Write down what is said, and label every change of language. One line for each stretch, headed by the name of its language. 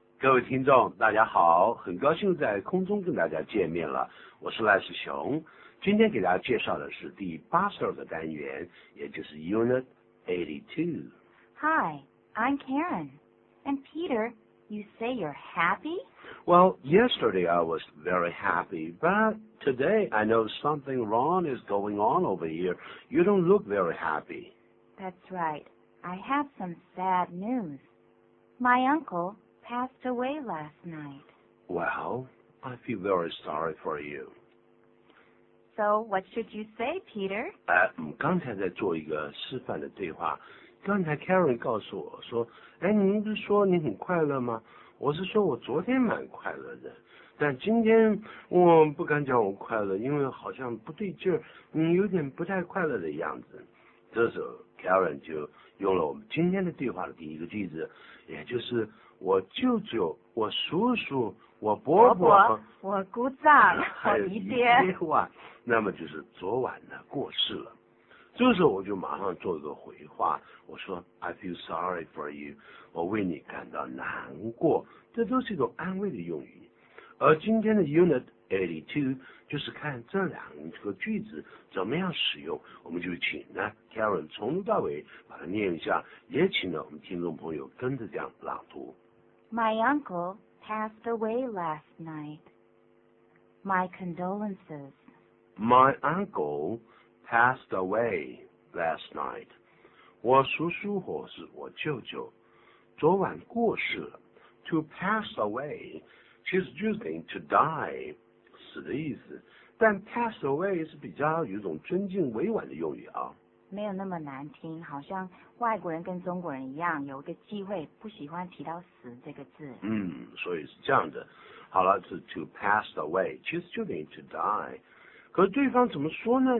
Chinese: 各位听众大家好，很高兴在空中跟大家见面了，我是赖世雄。今天给大家介绍的是第82个单元，也就是 Unit 82。
English: Hi, I'm Karen. And Peter, you say you're happy? Well, yesterday I was very happy, but today I know something wrong is going on over here. You don't look very happy. That's right. I have some sad news. My uncle passed away last night. Well, I feel very sorry for you. So, what should you say, Peter?
Chinese: 刚才在做一个示范的对话。刚才 Karen 告诉我说，哎，您不是说你很快乐吗？我是说我昨天蛮快乐的，但今天我不敢讲我快乐，因为好像不对劲儿，你有点不太快乐的样子。这时候 Karen 就用了我们今天的对话的第一个句子，也就是我舅舅、我叔叔、我伯伯、我姑丈、我姨爹，那么就是昨晚呢过世了。这时候我就马上做一个回话，我说
English: I feel sorry for you，
Chinese: 我为你感到难过，这都是一种安慰的用语。而今天的 Unit 82就是看这两个句子怎么样使用，我们就请呢 Karen 从头到尾把它念一下，也请呢我们听众朋友跟着这样朗读。
English: My uncle passed away last night. My condolences. My uncle passed away last night.
Chinese: 我叔叔或是我舅舅昨晚过世了。
English: To pass away, she's using to die.
Chinese: 的意思，但 pass away 是比较有一种尊敬委婉的用语啊，没有那么难听，好像外国人跟中国人一样有一个忌讳，不喜欢提到死这个字。所以是这样的。好了，是 to pass away， 其实就等于 to die， 可对方怎么说呢？